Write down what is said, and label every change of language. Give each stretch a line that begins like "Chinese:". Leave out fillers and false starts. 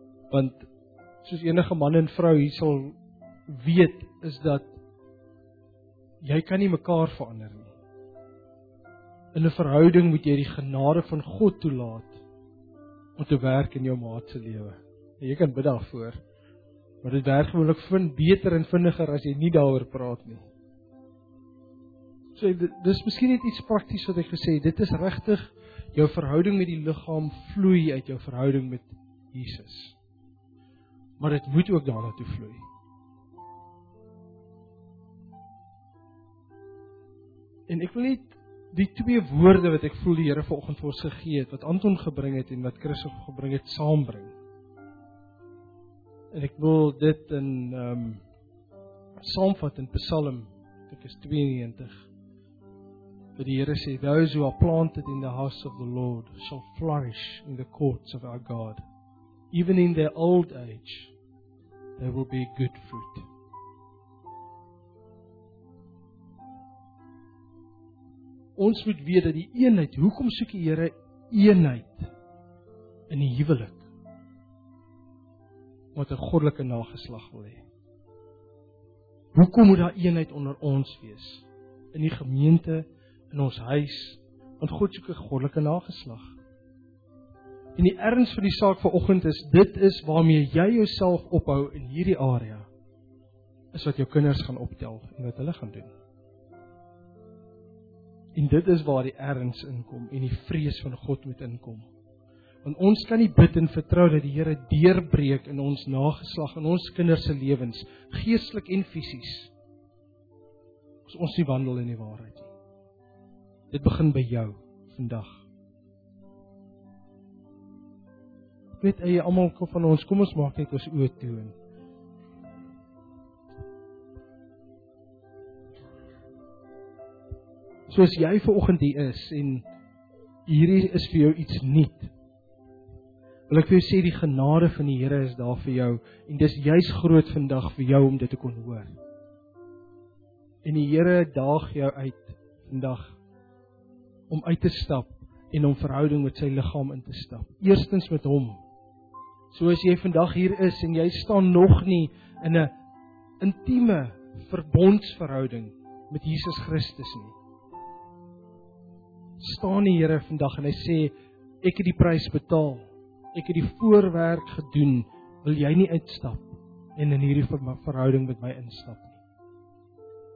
Afrikaans: Want soos enige man en vrou hier sal weet, is dat jy kan nie mekaar verander nie. In 'n verhouding moet jy die genade van God toelaat om te werk in jou maat se lewe. En jy kan bid daarvoor, maar dit werk gewoonlik vind beter en vindiger as jy nie daaroor praat nie. So, dis miskien net iets prakties wat ek gesê het. Dit is regtig, jou verhouding met die liggaam vloei uit jou verhouding met Jesus. Maar dit moet ook daarna toe vloei. En ek wil net die twee woorde wat ek voel die Here vanoggend vir ons gegee het, wat Anton gebring het en wat Chris gebring het, saambring. En ek wil dit in saamvat in Psalm, ek is 92. Dat die Here sê,
English: those who are planted in the house of the Lord shall flourish in the courts of our God. Even in their old age, there will be good fruit.
Afrikaans: Ons moet weet dat die eenheid, hoekom soek die Here eenheid in die huwelik? Wat 'n goddelike nageslag wil hê. Hoekom moet daar eenheid onder ons wees? In die gemeente, in ons huis, want God soek 'n goddelike nageslag. En die erns van die saak vanoggend is, dit is waarmee jy jouself ophou in hierdie area, is wat jou kinders gaan optel en wat hulle gaan doen. En dit is waar die erns inkom en die vrees van God moet inkom. Want ons kan nie bid en vertrou dat die Here deurbreek in ons nageslag, in ons kinders se lewens, geestelik en fisies, as ons nie wandel in die waarheid nie. Dit begin by jou vandag. Weet jy, almal van ons, kom ons maak net ons oë toe. Soos jy vanoggend hier is en hierdie is vir jou iets nuut, wil ek vir jou sê die genade van die Here is daar vir jou en dis juist groot vandag vir jou om dit te kon hoor. En die Here daag jou uit vandag om uit te stap en om verhouding met sy liggaam in te stap. Eerstens met hom. Soos jy vandag hier is en jy staan nog nie in 'n intieme verbondsverhouding met Jesus Christus nie. Staan die Here vandag en hy sê, ek het die prys betaal, ek het die voorwerk gedoen, wil jy nie uitstap en in hierdie verhouding met my instap nie?